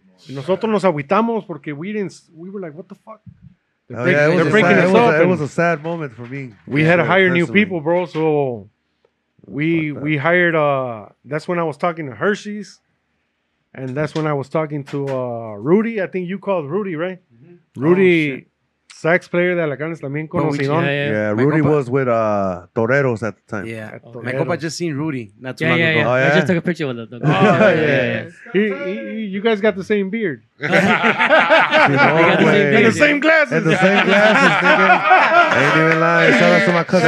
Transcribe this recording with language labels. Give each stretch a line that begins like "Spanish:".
Spanish: Y nosotros nos agüitamos porque
English: we were like, what the fuck? They're breaking us up. It was a sad moment for me. We had to hire new people, bro. So we hired, that's when I was talking to Hershey's. And that's when I was talking to Rudy. I think you called Rudy, right? Mm-hmm.
Spanish: Rudy,
English: oh, sax player
Spanish: de Alacranes, también conocido.
English: Yeah, Rudy was with Toreros at the time. Yeah, my compa just seen Rudy not too long ago. Yeah. Oh, yeah. I just took a picture with him. He, you guys got the same beard. And the same glasses. And the same glasses. Ain't even lying. Shout out to my cousin.